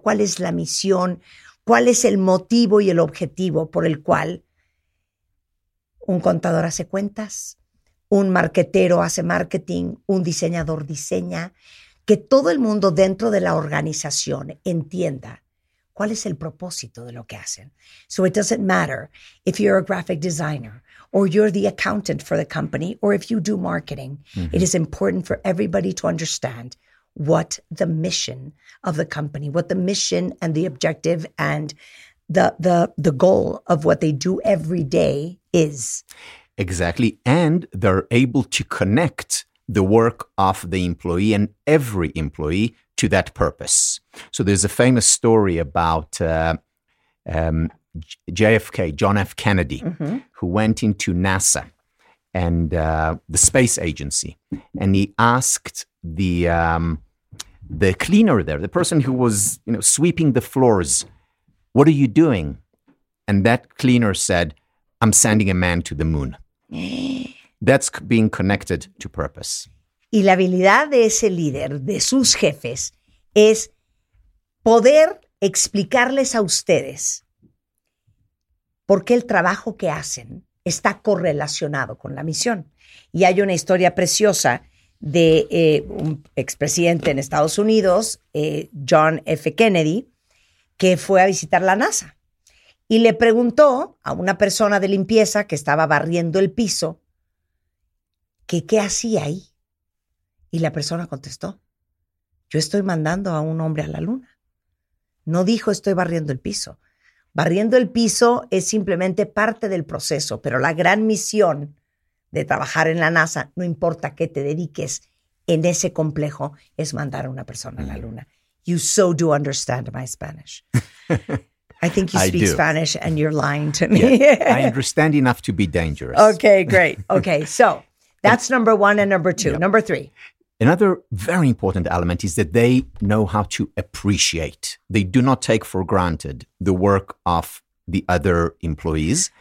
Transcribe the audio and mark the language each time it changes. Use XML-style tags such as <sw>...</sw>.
<es>¿Cuál es la misión? ¿Cuál es el motivo y el objetivo por el cual un contador hace cuentas? ¿Un marketero hace marketing? ¿Un diseñador diseña? Que todo el mundo dentro de la organización entienda cuál es el propósito de lo que hacen.</es> <en>So it doesn't matter if you're a graphic designer, or you're the accountant for the company, or if you do marketing, it is important for everybody to understand what the mission of the company, what the mission and the objective and the goal of what they do every day is. Exactly. And they're able to connect the work of the employee and every employee to that purpose. So there's a famous story about JFK, John F. Kennedy, who went into NASA and the space agency, and he asked the cleaner there, the person who was, you know, sweeping the floors, "What are you doing?" And that cleaner said, "I'm sending a man to the moon." That's being connected to purpose.</en> <es>Y la habilidad de ese líder, de sus jefes, es poder explicarles a ustedes porque el trabajo que hacen está correlacionado con la misión. Y hay una historia preciosa de un expresidente en Estados Unidos, John F. Kennedy, que fue a visitar la NASA y le preguntó a una persona de limpieza que estaba barriendo el piso que qué hacía ahí. Y la persona contestó, "Yo estoy mandando a un hombre a la luna." No dijo, "Estoy barriendo el piso." Barriendo el piso es simplemente parte del proceso, pero la gran misión de trabajar en la NASA, no importa qué te dediques en ese complejo, es mandar a una persona a la luna.</es> <en>You so do understand my Spanish. I think you speak Spanish and you're lying to me. Yeah, I understand enough to be dangerous. Okay, great. Okay, so that's number one and number two. Yeah. Number three. Another very important element is that they know how to appreciate. They do not take for granted the work of the other employees.</en>